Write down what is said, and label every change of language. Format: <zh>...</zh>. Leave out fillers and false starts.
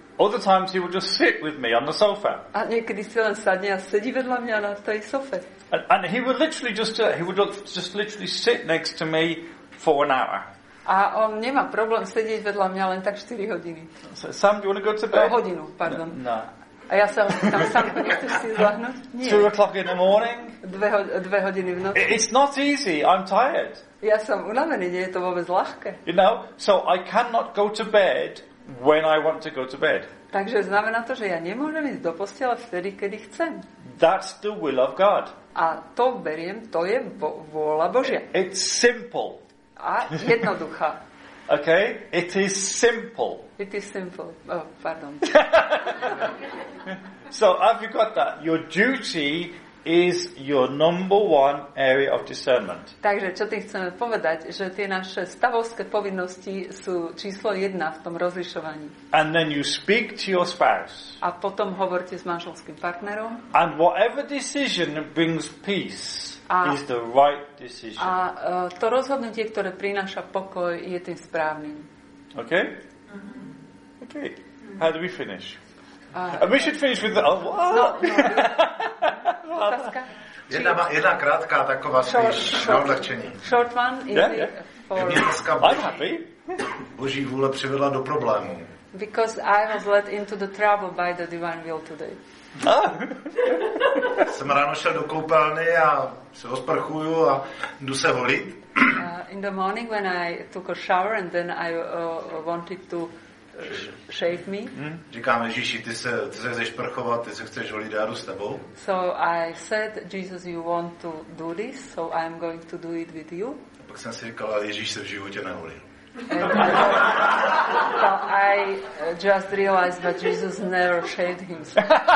<en>Other times he will just sit with me on the sofa.</en> <sk>A niekedy si len sadne a sedí vedľa mňa na tej sofe.</sk> <en>And he would literally just sit next to me for an hour.</en> <sk>A on nemá problém sedieť vedľa mňa len tak 4 hodiny.</sk> <en>Sam, do you want to go to bed?</en> <sk>O hodinu, pardon.</sk> <en>No.</en> <sk>A ja sam, nechceš si zlahnuť? Nie.</sk> <en>2 o'clock in the morning?</en> <sk>Dve hodiny v noci.</sk> <en>It's not easy, I'm tired.</en> <sk>Ja som unavený, nie je to vôbec ľahké.</sk> <en>You know, so I cannot go to bed when I want to go to bed.</en> <sk>Takže znamená to, že ja nemôžem ísť do postele vtedy, kedy chcem.</sk> <en>That's the will of God.</en> <sk>A to beriem, to je vôľa Božia.</sk> <en>It's simple.</en> <sk>A jednoduchá.</sk> <en>Okay, it is simple. It is simple. Oh, pardon. So, have you got that? Your duty is your number one area of discernment.</en> <sk>Takže, čo ti chceme povedať, že tie naše stavovské povinnosti sú číslo jedna v tom rozlišovaní.</sk> <en>And then you speak to your spouse.</en> <sk>A potom hovorte s manželským partnerom.</sk> <en>And whatever decision brings peace, is the right decision.</en> <sk>A to rozhodnutie, ktoré prináša pokoj, je tým správnym.</sk> <en>Okay? Mm-hmm. Okay. Mm-hmm. How do we finish? We should finish with the... Oh,</en> <sk>no, no. Otázka? Jedna krátka taková na odľahčení.</sk> <en>Short one? Easy yeah, yeah. For... I'm happy.</en> <sk>Boží vôľa privedla do problému.</sk> <en>Because I was led into the trouble by the divine will today.</en> <cs>Jsem ráno šel do koupelny a se osprchuju a jdu se holit.</cs> <en>In the morning when I took a shower and then I wanted to shave me.</en> <cs>Říkám, Ježíši, ty se chceš prchovat, ty se chceš holit, já jdu s tebou.</cs> <en>So I said, Jesus, you want to do this, so I'm going to do it with you.</en> <cs>A pak jsem si říkal, Ježíš se v životě neholil.</cs> <en>And so I just realized that Jesus never shaved himself.</en>